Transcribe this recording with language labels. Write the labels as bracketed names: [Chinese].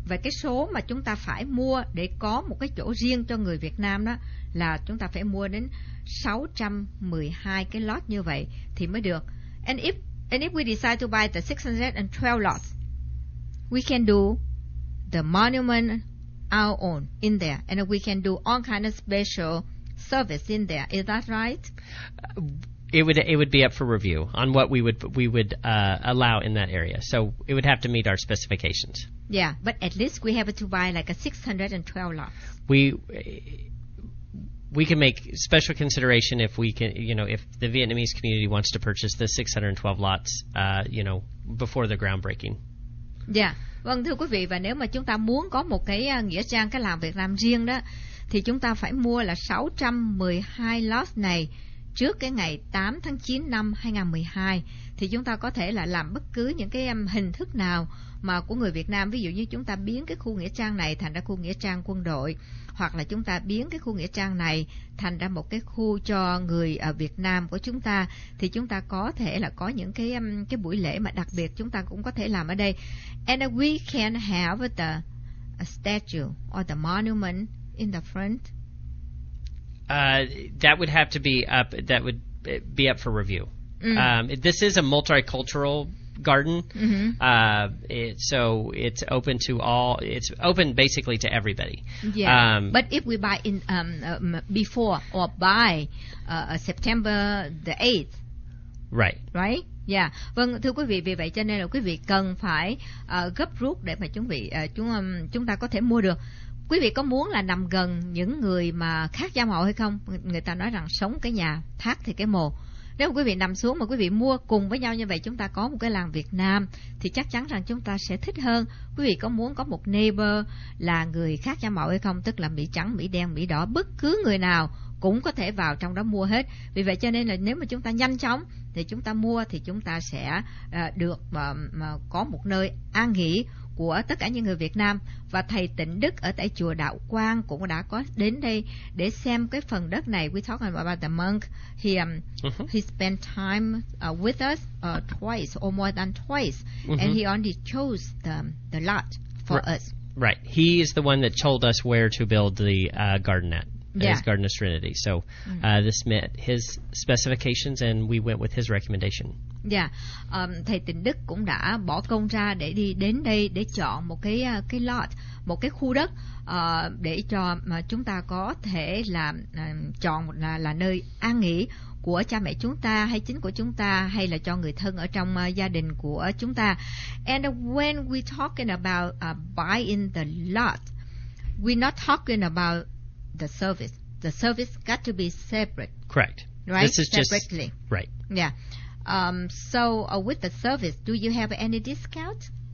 [Vietnamese] Và cái số mà chúng ta phải mua để có một cái chỗ riêng cho người Việt Nam đó là chúng ta phải mua đến 612 cái lot như vậy thì mới được. [English] And if we decide to buy the 612 lots, we can do the monument our own in there, and we can do all kind of special service in there. Is that right? It would be up for review on what we would allow in that area. So it would have to meet our specifications. Yeah, but at least we have to buy like a 612 lots. We can make special consideration if we can, you know, if the Vietnamese community wants to purchase the 612 lots, you know, before the groundbreaking. Yeah. [Vietnamese] Vâng thưa quý vị, và nếu mà chúng ta muốn có một cái nghĩa trang cái làm việc làm riêng đó thì chúng ta phải mua là 612 lot này trước cái ngày 8 tháng 9 năm 2012. Thì chúng ta có thể là làm bất cứ những cái hình thức nào mà của người Việt Nam, ví dụ như chúng ta biến cái khu nghĩa trang này thành ra khu nghĩa trang quân đội, hoặc là chúng ta biến cái khu nghĩa trang này thành ra một cái khu cho người Việt Nam của chúng ta, thì chúng ta có thể là có những cái buổi lễ mà đặc biệt chúng ta cũng có thể làm ở đây. [English] And we can have the statue or the monument in the front. That would have to be up. That would be up for review. Mm. This is a multicultural garden. Mm-hmm. So it's open to all. It's open basically to everybody. Yeah. But if we buy in before or by September the 8th. Right. Right. Dạ, yeah. [Vietnamese] Vâng, thưa quý vị, vì vậy cho nên là quý vị cần phải gấp rút để mà chúng ta có thể mua được. Quý vị có muốn là nằm gần những người mà khác giam hộ hay không? Người ta nói rằng sống cái nhà, thác thì cái mồ. Nếu mà quý vị nằm xuống mà quý vị mua cùng với nhau như vậy, chúng ta có một cái làng Việt Nam, thì chắc chắn rằng chúng ta sẽ thích hơn. Quý vị có muốn có một neighbor là người khác giam hộ hay không? Tức là Mỹ trắng, Mỹ đen, Mỹ đỏ, bất cứ người nào cũng có thể vào trong đó mua hết. Vì vậy cho nên là nếu mà chúng ta nhanh chóng thì chúng ta mua thì chúng ta sẽ được có một nơi an nghỉ của tất cả những người Việt Nam. Và thầy Tịnh Đức ở tại chùa Đạo Quang cũng đã có đến đây để xem cái phần đất này. [English] We talking about the monk. He spent time with us twice or more than twice. Mm-hmm. And he only chose the lot for us. Right. He is the one that told us where to build the garden at. Yeah. His Garden of Serenity. So this met his specifications and we went with his recommendation. Yeah. [Vietnamese] Thầy Tịnh Đức cũng đã bỏ công ra để đi đến đây để chọn một cái lot, một cái khu đất để cho mà chúng ta có thể làm chọn là nơi an nghỉ của cha mẹ chúng ta hay chính của chúng ta hay là cho người thân ở trong gia đình của chúng ta. [English] And when we talking about buying the lot, we not talking about the service. The service got to be separate. Correct. Right? This is separately. Just, right. Yeah. So with the service, do you have any discount?